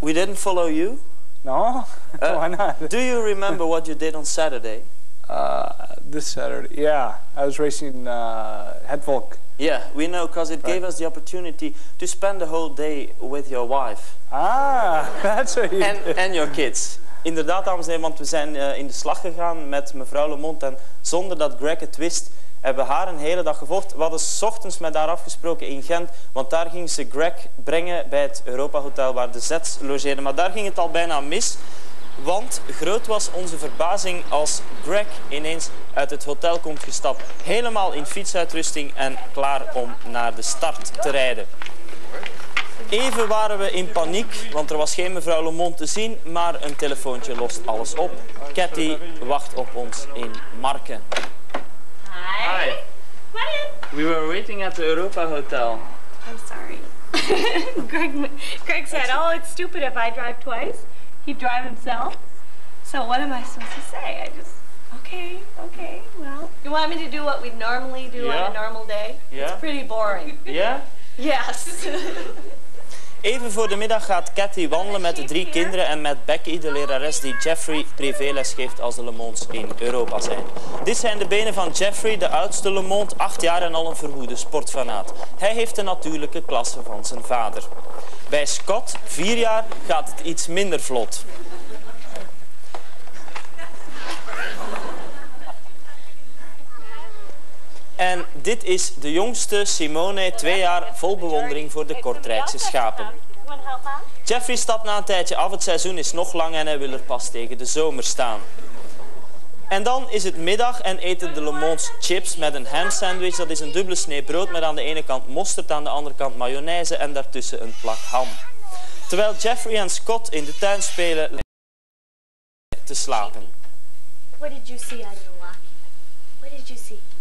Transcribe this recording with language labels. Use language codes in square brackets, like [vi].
[en] We didn't follow you. No? Why not? Do you remember what you did on Saturday? This Saturday, yeah. I was racing Hedvolk. Yeah, we know, because it gave us the opportunity to spend the whole day with your wife. Ah, that's what you did. And your kids. [nl] Inderdaad, dames en heren, want we zijn in de slag gegaan met mevrouw Lemont en zonder dat Greg het wist, hebben haar een hele dag gevolgd. We hadden 's ochtends met haar afgesproken in Gent, want daar ging ze Greg brengen bij het Europa Hotel waar de Zets logeerden. Maar daar ging het al bijna mis, want groot was onze verbazing als Greg ineens uit het hotel komt gestapt. Helemaal in fietsuitrusting en klaar om naar de start te rijden. Even waren we in paniek, want er was geen mevrouw Lemont te zien, maar een telefoontje lost alles op. Cathy wacht op ons in Marken. [en] Hi. We were waiting at the Europa Hotel. I'm sorry. Greg said, oh, it's stupid if I drive twice. He'd drive himself. So what am I supposed to say? Okay, well. You want me to do what we'd normally do on a normal day? Yeah. It's pretty boring. Yeah? Yes. [nl] Even voor de middag gaat Cathy wandelen met de drie kinderen en met Becky, de lerares die Jeffrey privéles geeft als de Lemonts in Europa zijn. Dit zijn de benen van Jeffrey, de oudste Lemont, 8 jaar en al een verwoede sportfanaat. Hij heeft de natuurlijke klasse van zijn vader. Bij Scott, 4 jaar, gaat het iets minder vlot. En dit is de jongste Simone, 2 jaar, vol bewondering voor de Kortrijkse schapen. Jeffrey stapt na een tijdje af, het seizoen is nog lang en hij wil er pas tegen de zomer staan. En dan is het middag en eten de Lemonts chips met een ham sandwich. Dat is een dubbele snee brood met aan de ene kant mosterd, aan de andere kant mayonaise en daartussen een plak ham. Terwijl Jeffrey en Scott in de tuin spelen, te slapen. [en] What did you see out of the walkie? What did you see?